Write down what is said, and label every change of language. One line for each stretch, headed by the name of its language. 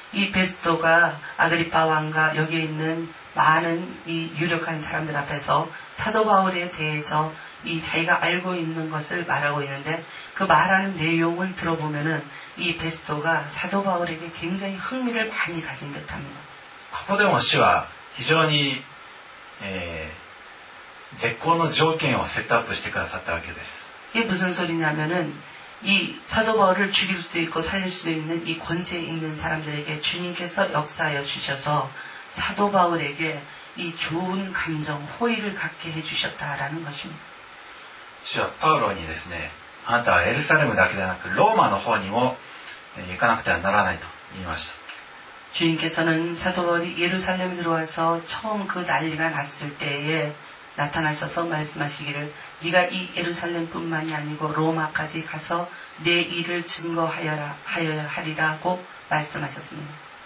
Korean: 이베스토가아그리파왕과여기에있는많은이유력한사람들앞에서사도바울에대해서이자기가알고있는것을말하고있는데그말하는내용을들어보면은이베스토가사도바울에게굉장히흥미를많이가진듯합니다
Japanese: ここでも死は非常に絶好の条件をセットアップしてくださったわけです
Korean: 이게무슨소리냐면은 이 사도 바울을 죽일 수도 있고 살릴 수도 있는 이 권세 있는 사람들에게 주님께서 역사하여 주셔서 사도 바울에게 이 좋은 감정, 호의를 갖게 해주셨다라는 것입니다. 주여 바울에게
Japanese: ですね、あなたはエルサレムだけではなくローマの方にも行かなくてはならないと言いました。
Korean: 주님께서는사도바울이예루살렘에들어와서처음그난리가났을때에나타나셔서말씀하시기를네가이예루살렘뿐만이아니고로마까지가서내일을증거하여라하여하리라고말씀하셨습니다